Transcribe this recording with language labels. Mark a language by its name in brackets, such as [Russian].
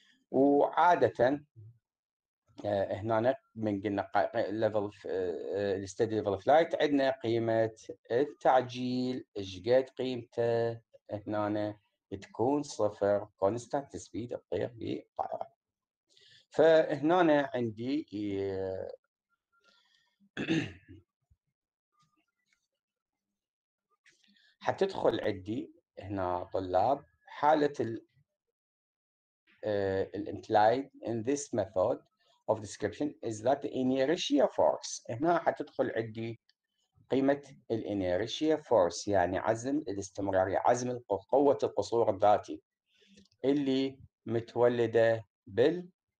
[Arabic] وعادة هنا من قلنا ليفل الستدي ليفل فلايت عندنا قيمة التعجيل شقد قيمته هنا تكون صفر كونستانت سبيد الطير بالطائرة. فهنا عندي حتدخل عندي هنا طلاب حالة ال [English] implied in this method of description is that the inertia force. [Arabic] هنا حتدخل عندي قيمة الانيرشيا فورس يعني عزم الاستمرارية عزم قوة القصور الذاتي اللي متولدة بالجسم.